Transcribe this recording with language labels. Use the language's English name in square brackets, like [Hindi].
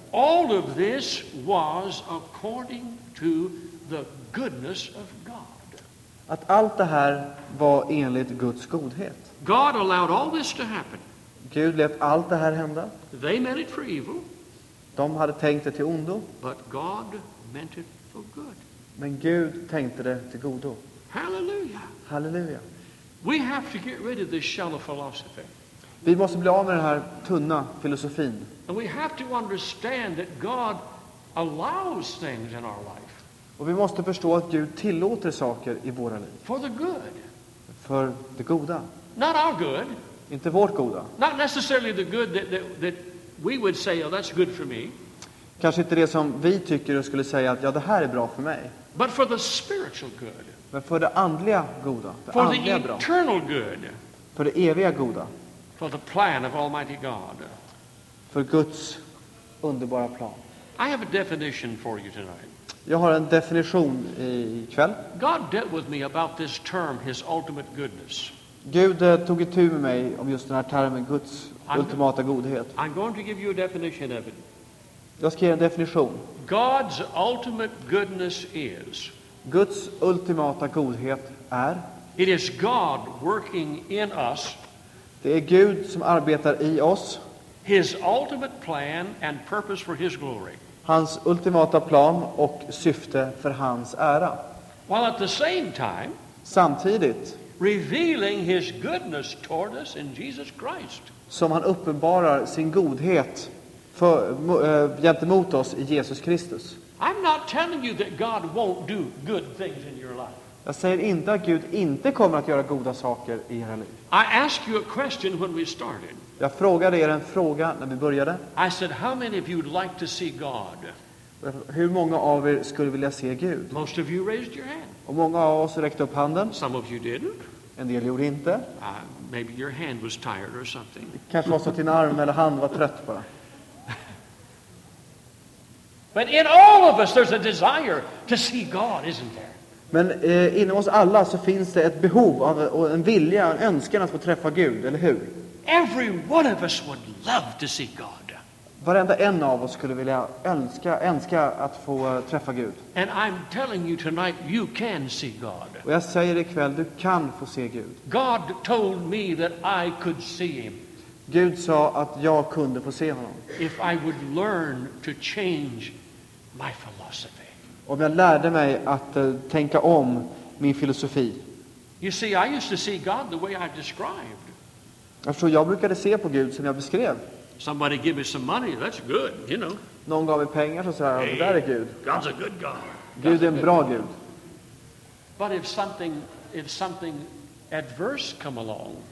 [English] All of this was according to the goodness of God. [Swedish] Att allt det här var enligt Guds godhet. [English] God allowed all this to happen. [Swedish] Gud lät allt det här hända. [English] They meant it for evil. [Swedish] De hade tänkt det till ondo. [English] But God meant it for good. [Swedish] Men Gud tänkte det till godo. [English] Halleluja. [Swedish] Halleluja. [English] We have to get rid of this shallow philosophy. [Swedish] Vi måste bli av med den här tunna filosofin. [English] And we have to understand that God allows things in our life. [Swedish] Och vi måste förstå att Gud tillåter saker i våra liv. [English] For the good. [Swedish] För det goda. [English] Not our good. [Swedish] Inte vårt goda. [English] Not necessarily the good that we would say, oh, that's good for me. [Swedish] Kanske inte det som vi tycker och skulle säga att ja, det här är bra för mig. [English] But for the spiritual good. [Swedish] Men för det andliga goda. [English] For the eternal good. [Swedish] För det eviga goda. [English] For the plan of Almighty God. [Swedish] För Guds underbara plan. [English] I have a definition for you tonight. [Swedish] Jag har en definition i kväll. [English] God dealt with me about this term, his ultimate goodness. [Swedish] Gud tog itu med mig om just den här termen Guds ultimata godhet. [English] I'm going to give you a definition of it. [Swedish] Jag ska ge en definition. [English] God's ultimate goodness is. [Swedish] Guds ultimata godhet är. [English] It is God working in us. [Swedish] Det är Gud som arbetar i oss. [English] His ultimate plan and purpose for his glory. [Swedish] Hans ultimata plan och syfte för hans ära. [English] While at the same time, [Swedish] samtidigt, [English] revealing his goodness toward us in Jesus Christ. [Swedish] Som han uppenbarar sin godhet för gentemot oss i Jesus Kristus. [English] I'm not telling you that God won't do good things in your life. [Swedish] Jag säger inte att Gud inte kommer att göra goda saker i era liv. [English] I ask you a question when we started. [Swedish] Jag frågade er en fråga när vi började. [English] I said, how many of you would like to see God? [Swedish] Hur många av er skulle vilja se Gud? [English] Most of you raised your hand. [Swedish] Och många av oss räckte upp handen. [English] Some of you didn't. [Swedish] En del gjorde inte. [English] Maybe your hand was tired or something. [Swedish] Kanske var så att din arm eller hand var trött bara. [English] But in all of us there's a desire to see God, isn't there? [Swedish] Men inom oss alla så finns det ett behov av och en vilja, en önskan att få träffa Gud, eller hur? [English] Every one of us would love to see God. [Swedish] Varenda en av oss skulle vilja önska att få träffa Gud. [English] And I'm telling you tonight, you can see God. [Swedish] Och jag säger ikväll, du kan få se Gud. [English] God told me that I could see him. [Swedish] Gud sa att jag kunde få se honom. [English] If I would learn to change my philosophy. [Swedish] Om jag lärde mig att tänka om min filosofi. [English] You see, I used to see God the way I described. [Swedish] Eftersom jag brukade se på Gud som jag beskrev. [English] Somebody give me some money, that's good, you know. [Swedish] Någon gav mig pengar så sa jag, det där är Gud. [English] God's a good God. [Swedish] Gud är en bra Gud. [English] But if something adverse come along.